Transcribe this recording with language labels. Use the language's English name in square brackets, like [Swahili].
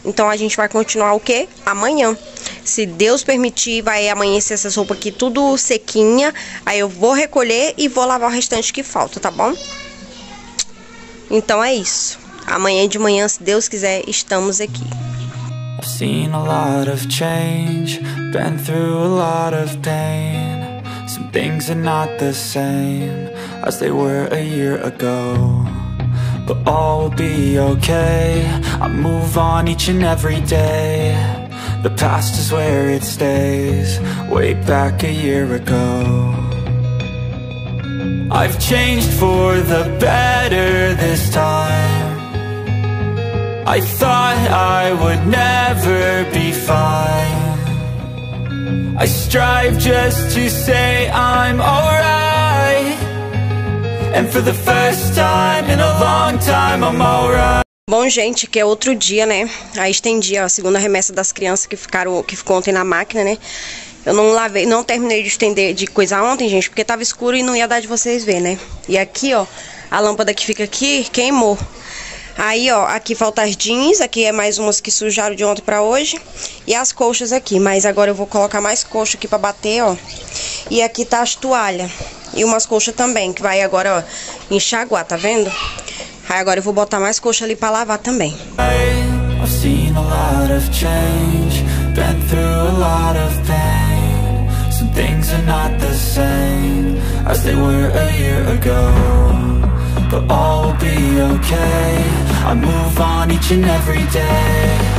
[Portuguese] Então a gente vai continuar o quê? Amanhã. Se Deus permitir, vai amanhecer essa roupa aqui tudo sequinha. Aí eu vou recolher e vou lavar o restante que falta, tá bom? Então é isso. Amanhã de manhã, se Deus quiser, estamos aqui. [English] Seen a lot of change, been through a lot of pain. Some things are not the same as they were a year ago. But all will be okay, I move on each and every day. The past is where it stays, way back a year ago. I've changed for the better this time. I thought I would never be fine. I strive just to say I'm alright. And for the first time in a long time I'm alright. [Portuguese] Bom, gente, que é outro dia, né? Aí estendi a segunda remessa das crianças que ficou ontem na máquina, né? Eu não lavei, não terminei de estender de coisa ontem, gente, porque tava escuro e não ia dar de vocês ver, né? E aqui, ó, a lâmpada que fica aqui queimou. Aí, ó, aqui falta as jeans, aqui é mais umas que sujaram de ontem pra hoje. E as colchas aqui, mas agora eu vou colocar mais colcha aqui pra bater, ó. E aqui tá as toalhas e umas colchas também, que vai agora, ó, enxaguar, tá vendo? Aí agora eu vou botar mais colcha ali pra lavar também. [English] I've seen a lot of change, been through a lot of pain. Some things are not the same as they were a year ago. But all will be okay, I move on each and every day.